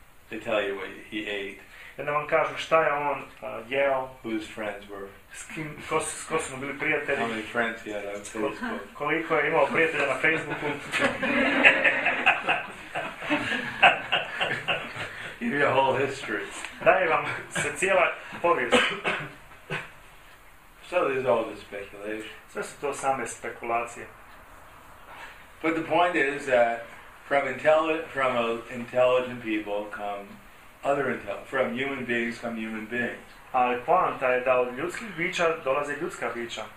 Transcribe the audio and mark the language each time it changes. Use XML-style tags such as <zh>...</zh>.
<en>They tell you what he ate.</en> <bs>I da vam kažu šta je on jeo,</bs> <en>whose friends were,</en> <bs>ko su bili prijatelji,</bs> <en>how many friends he had on Facebook,</en> <bs>koliko je imao prijatelja na Facebooku.</bs> <en>Give you a whole history.</en> <bs>Daje vam se cijela povijest.</bs> <en>So this is all the speculation.</en> <bs>Sve su to same spekulacije.</bs> <en>But the point is that from intelligent people come other intelligent, from human beings come human beings.</en> <bs>Ali poanta je da od ljudskih bića dolaze ljudska bića.</bs>